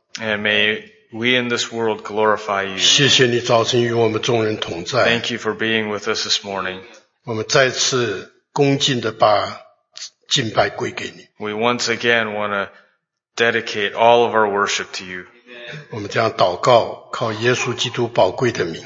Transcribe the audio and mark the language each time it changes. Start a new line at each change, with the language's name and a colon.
English: And may we in this world glorify you.
Chinese: 谢谢你早晨与我们众人同在。
English: Thank you for being with us this morning.
Chinese: 我们再次恭敬地把敬拜归给你。
English: We once again want to dedicate all of our worship to you.
Chinese: 我们这样祷告，靠耶稣基督宝贵的名。